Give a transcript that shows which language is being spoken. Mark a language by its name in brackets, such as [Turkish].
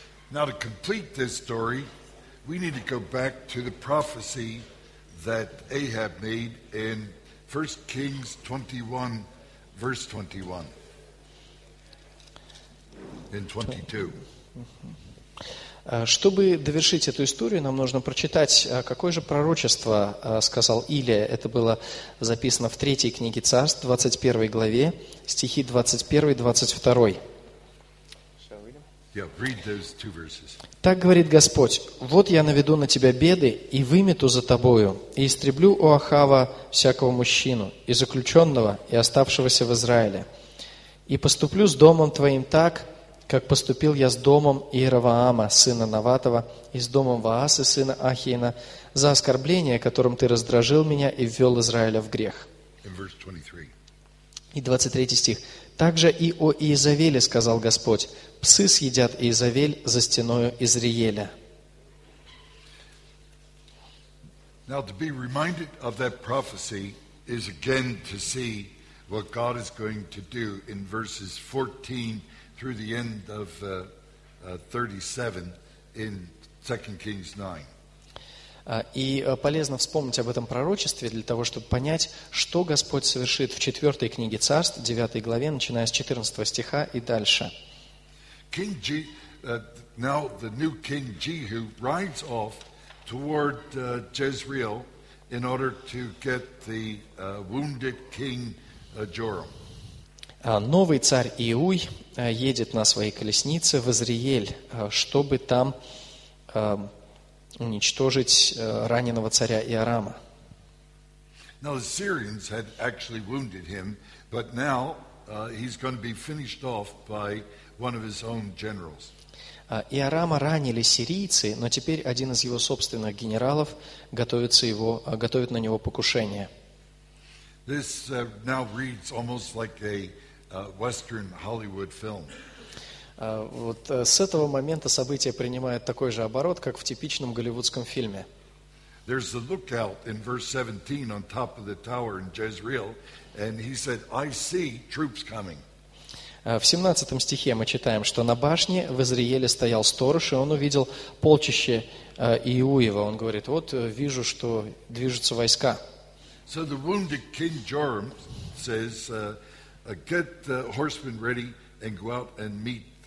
[English] Now, to complete this story, we need to go back to the prophecy that Ahab made in 1 Kings 21, verse 21. In 22. [Russian] Чтобы довершить эту историю, нам нужно прочитать, какое же пророчество сказал Илия. Это было записано в 3 книге Царств, 21 главе, стихи 21-22. [English] Yeah, read those two verses. [Russian] Так говорит Господь, вот я наведу на тебя беды и вымету за тобою, и истреблю у Ахава всякого мужчину, и заключенного, и оставшегося в Израиле. И поступлю с домом твоим так, как поступил я с домом Иеровоама, сына Наватого, и с домом Ваасы, сына Ахиина, за оскорбление, которым ты раздражил меня и ввел Израиля в грех. И 23 стих. Также и о Иезавеле сказал Господь, псы съедят Иезавель за стеною Изриеля. [English] Now, to be reminded of that prophecy is again to see what God is going to do in verses 14 through the end of 37 in 2 Kings 9. [Russian] И полезно вспомнить об этом пророчестве для того, чтобы понять, что Господь совершит в 4 книге Царств, 9 главе, начиная с 14 стиха и дальше. [English] King G, now the new King Jehu rides off toward Jezreel in order to get the wounded king Joram. [Russian] Новый царь Иуй едет на своей колеснице в Изриель, чтобы там уничтожить раненого царя Иорама. [English] Now, the Syrians had actually wounded him, but now he's going to be finished off by one of his own generals. [Russian] Иорама ранили сирийцы, но теперь один из его собственных генералов готовит на него покушение. [English] This now reads almost like a Western Hollywood film. [Russian] Вот с этого момента события принимают такой же оборот, как в типичном голливудском фильме. [English] There's a lookout in verse 17 on top of the tower in Jezreel, and he said, "I see troops coming." [Russian] В 17 стихе мы читаем, что на башне в Изриеле стоял сторож, и он увидел полчище Иуева. Он говорит, вот вижу, что движутся войска. [English] So the wounded King Joram says, "Get the horsemen ready and go out and meet."